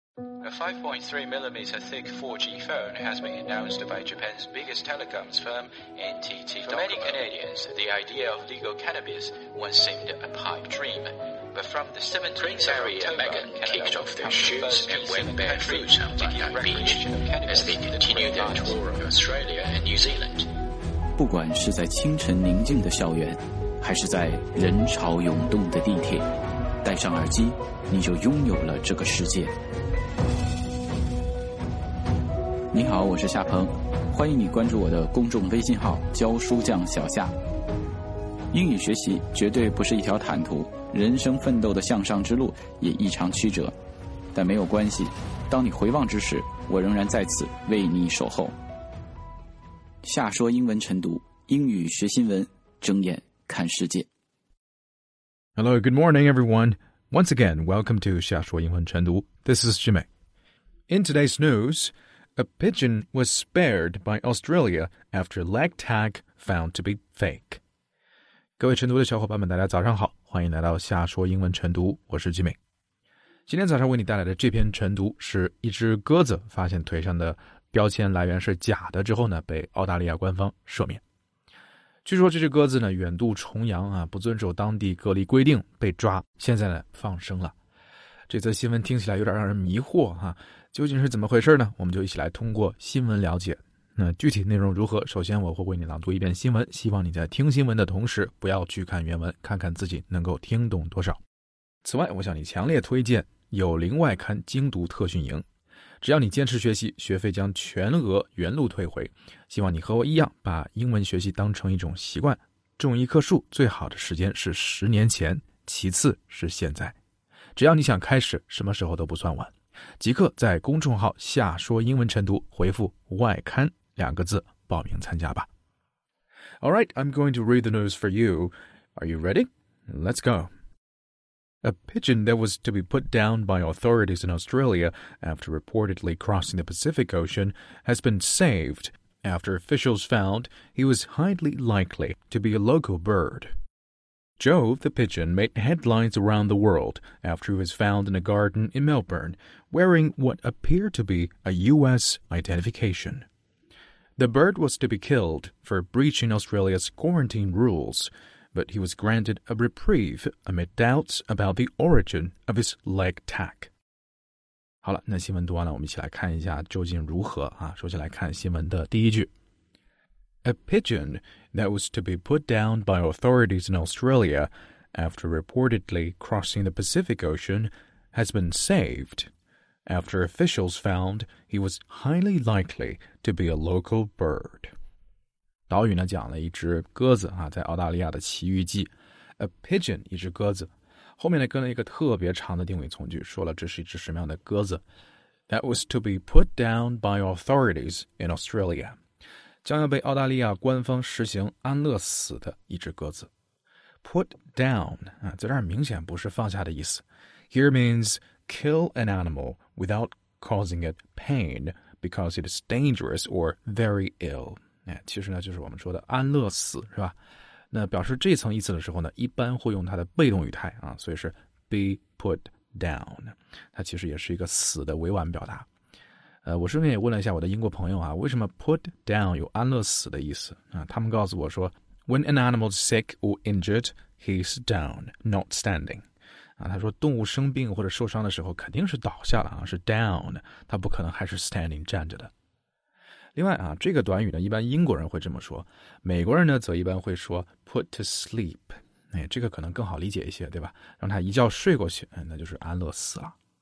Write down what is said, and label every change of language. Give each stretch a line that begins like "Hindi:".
English: A 5.3mm thick 4G phone has been announced by Japan's biggest telecoms firm, NTT Docomo. For many Canadians, the idea of legal cannabis once seemed a pipe dream. But from the 17th of October, Canada kicked off their shoes and went barefoot on the beach as they continued their tour of Australia and New Zealand.
Chinese: 不管是在清晨宁静的校园，还是在人潮涌动的地铁，戴上耳机，你就拥有了这个世界。你好，我是夏鹏，欢迎你关注我的公众微信号“教书匠小夏”。英语学习绝对不是一条坦途，人生奋斗的向上之路也异常曲折，但没有关系，当你回望之时，我仍然在此为你守候。夏说英文晨读，英语学新闻，睁眼看世界。
English: Hello, good morning, everyone. Once again, welcome to 夏说英文晨读。 This is Jimmy. In today's news, a pigeon was spared by Australia after leg tag found to be fake.
Chinese: 各位晨读的小伙伴们，大家早上好，欢迎来到夏说英文晨读，我是 Jimmy。今天早上为你带来的这篇晨读是一只鸽子发现腿上的标签来源是假的之后呢，被澳大利亚官方赦免。据说这只鸽子呢远渡重洋啊，不遵守当地隔离规定被抓，现在呢放生了。这则新闻听起来有点让人迷惑哈，究竟是怎么回事呢？我们就一起来通过新闻了解。那具体内容如何？首先我会为你朗读一遍新闻，希望你在听新闻的同时不要去看原文，看看自己能够听懂多少。此外，我向你强烈推荐有灵外刊精读特训营。只要你坚持学习，学费将全额原路退回。希望你和我一样，把英文学习当成一种习惯。种一棵树最好的时间是十年前，其次是现在。只要你想开始，什么时候都不算晚。即刻在公众号下说英文晨读回复外刊两个字报名参加吧。
English: Alright, I'm going to read the news for you. Are you ready? Let's go. A pigeon that was to be put down by authorities in Australia after reportedly crossing the Pacific Ocean has been saved after officials found he was highly likely to be a local bird. Joe the pigeon made headlines around the world after he was found in a garden in Melbourne wearing what appeared to be a U.S. identification. The bird was to be killed for breaching Australia's quarantine rules,but he was granted a reprieve amid doubts about the origin of his leg tag.
Chinese: 好了，那新闻读完了，我们一起来看一下究竟如何啊。首先来看新闻的第一句。
English: A pigeon that was to be put down by authorities in Australia after reportedly crossing the Pacific Ocean has been saved after officials found he was highly likely to be a local bird.
Chinese: 岛屿呢讲了一只鸽子啊，在澳大利亚的奇遇记 ，
English: a pigeon
Chinese: 一只鸽子，后面呢跟了一个特别长的定语从句，说了这是一只什么样的鸽子。
English: That was to be put down by authorities in Australia，
Chinese: 将要被澳大利亚官方实行安乐死的一只鸽子。
English: Put down
Chinese: 啊，在这儿明显不是放下的意思。
English: Here means kill an animal without causing it pain because it is dangerous or very ill.
Chinese: 其实呢就是我们说的安乐死是吧，那表示这层意思的时候呢一般会用它的被动语态啊，所以是
English: be put down，
Chinese: 它其实也是一个死的委婉表达。我顺便也问了一下我的英国朋友啊，为什么
English: put down
Chinese: 有安乐死的意思啊，他们告诉我说
English: when an animal is sick or injured he's down not standing
Chinese: 啊，他说动物生病或者受伤的时候肯定是倒下了啊，是 down， 他不可能还是 standing 站着的。另外啊，这个短语呢一般英国人会这么说，美国人呢则一般会说
English: put to sleep，
Chinese: 这个可能更好理解一些对吧，让他一觉睡过去，那就是安乐死了。